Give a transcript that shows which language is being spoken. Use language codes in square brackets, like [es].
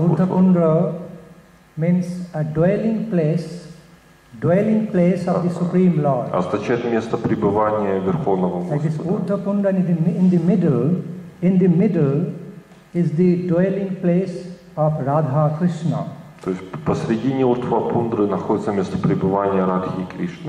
[en] Urdhva Pundra means a dwelling place of the Supreme Lord. [ru] Означает место пребывания Верховного Господа. [en] Like this Urdhva Pundra in the middle is the dwelling place of Radha Krishna. [ru] То есть посредине Urdhva Pundra находится место пребывания Радхи Кришны.